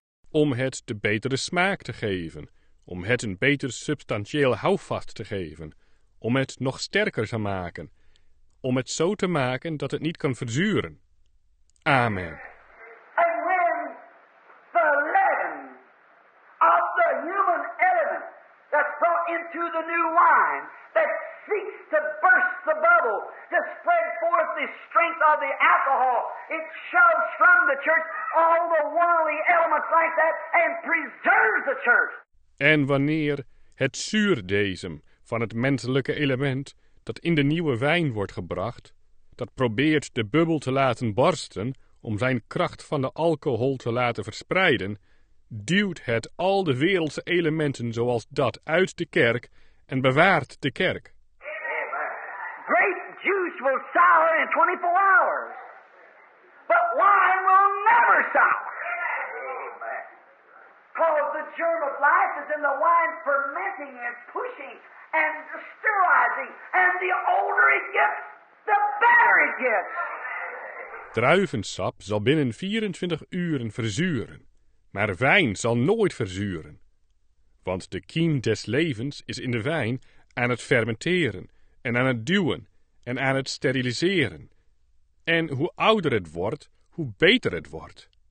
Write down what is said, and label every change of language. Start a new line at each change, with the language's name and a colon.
Dutch: Om het de betere smaak te geven. Om het een beter substantieel houvast te geven. Om het nog sterker te maken. Om het zo te maken dat het niet kan verzuren. Amen.
English: And when the leaven of the human element that's brought into the new wine, that seeks to burst the bubble, to spread forth the strength of the alcohol. It shoves from the church all the worldly elements like that and preserves the church.
Dutch: En wanneer het zuur deze van het menselijke element dat in de nieuwe wijn wordt gebracht, dat probeert de bubbel te laten barsten om zijn kracht van de alcohol te laten verspreiden, duwt het al de wereldse elementen zoals dat uit de kerk en bewaart de kerk.
English: Grape juice will sour in 24 hours, but wine will never sour. Because the germ of life is in the wine fermenting and pushing and sterilizing. And the older it gets, the better it gets.
Dutch: Druivensap zal binnen 24 uren verzuren, maar wijn zal nooit verzuren. Want de kiem des levens is in de wijn aan het fermenteren en aan het duwen en aan het steriliseren. En hoe ouder het wordt, hoe beter het wordt.